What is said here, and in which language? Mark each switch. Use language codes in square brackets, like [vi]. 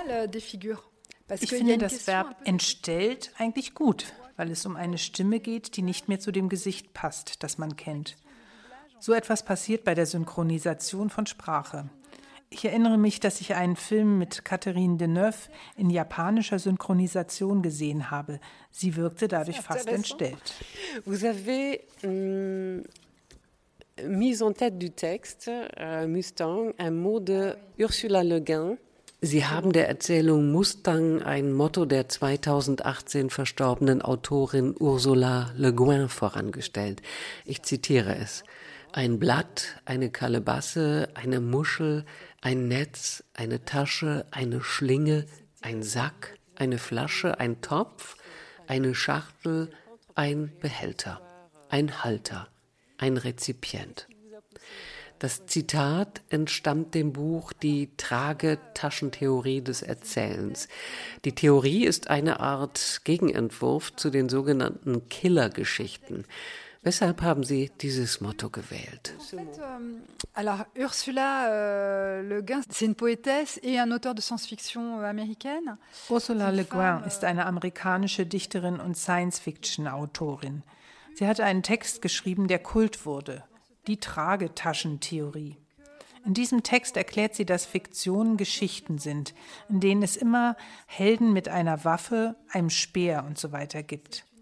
[de] Ich finde das Verb entstellt eigentlich gut, weil es um eine Stimme geht, die nicht mehr zu dem Gesicht passt, das man kennt. So etwas passiert bei der Synchronisation von Sprache. Ich erinnere mich, dass ich einen Film mit Catherine Deneuve in japanischer Synchronisation gesehen habe. Sie wirkte dadurch fast entstellt. [fr] Vous avez mis en tête du texte, Mustang, un mot de Ursula Le Guin. [de] Sie haben der Erzählung Mustang ein Motto der 2018 verstorbenen Autorin Ursula Le Guin vorangestellt. Ich zitiere es. Ein Blatt, eine Kalebasse, eine Muschel, ein Netz, eine Tasche, eine Schlinge, ein Sack, eine Flasche, ein Topf, eine Schachtel, ein Behälter, ein Halter, ein Rezipient. Das Zitat entstammt dem Buch Die Tragetaschentheorie des Erzählens. Die Theorie ist eine Art Gegenentwurf zu den sogenannten Killergeschichten. Weshalb haben Sie dieses Motto gewählt? [fr] Alors Ursula Le Guin, c'est une poétesse et un auteur de science-fiction américaine. [de] Ursula Le Guin ist eine amerikanische Dichterin und Science-Fiction-Autorin. Sie hat einen Text geschrieben, der Kult wurde. Die Tragetaschentheorie. In diesem Text erklärt sie, dass Fiktionen Geschichten sind, in denen es immer Helden mit einer Waffe, einem Speer und so weiter gibt.